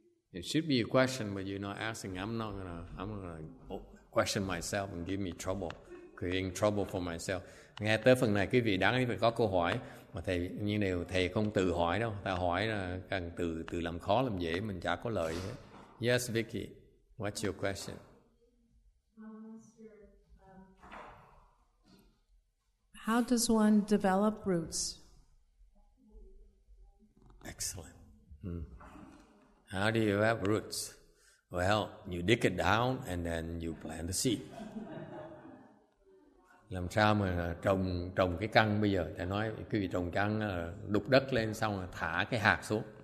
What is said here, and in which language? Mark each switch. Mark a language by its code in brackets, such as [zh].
[en] It should be a question, but you're not asking. I'm gonna question myself and give me trouble, creating trouble for myself. [vi] Nghe tới phần này quý vị đáng lý phải có câu hỏi, mà thầy như nào thầy không tự hỏi đâu, ta hỏi là càng tự làm khó làm dễ mình chả có lợi hết. [en] Yes Vicky, what's your question? How does one develop roots? Excellent. How do you have roots? Well, you dig it down and then you plant the seed. [vi] Làm sao mà trồng cái căn bây giờ? Thầy nói quý vị trồng căn đục đất lên xong rồi thả cái hạt xuống.